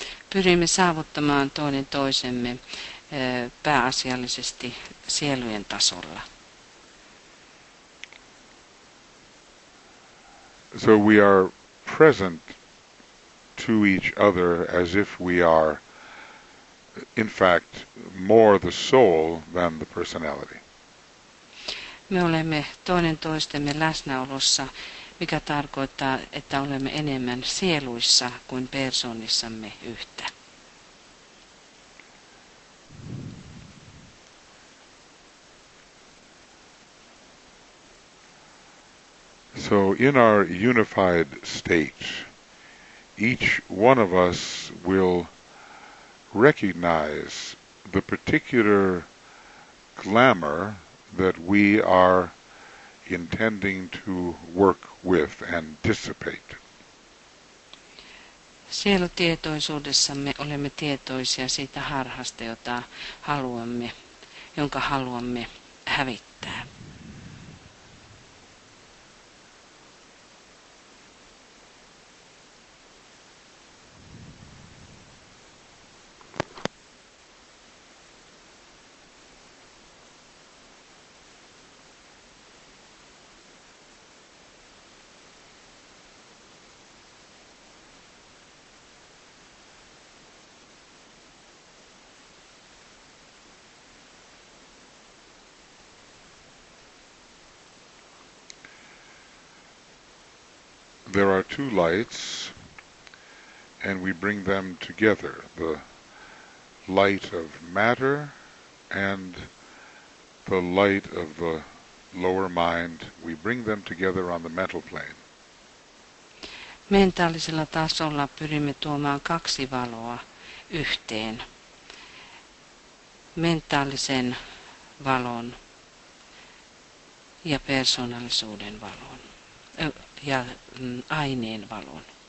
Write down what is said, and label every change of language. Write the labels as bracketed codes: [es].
[fi] Pyrimme saavuttamaan toinen toisemme pääasiallisesti sielujen tasolla. [en] So we are present to each other as if we are, in fact, more the soul than the personality. [fi] Me olemme toinen toistemme läsnäolossa, mikä tarkoittaa, että olemme enemmän sieluissa kuin persoonissamme yhtä. [en] So in our unified state, each one of us will recognize the particular glamour that we are intending to work with and dissipate. [fi] Sielutietoisuudessamme olemme tietoisia siitä harhasta, jota haluamme, jonka haluamme hävittää. [en] There are two lights, and we bring them together, the light of matter and the light of the lower mind. We bring them together on the mental plane. [fi] Mentaalisella tasolla pyrimme tuomaan kaksi valoa yhteen, mentaalisen valon ja persoonallisuuden valon. Ja aineen valon.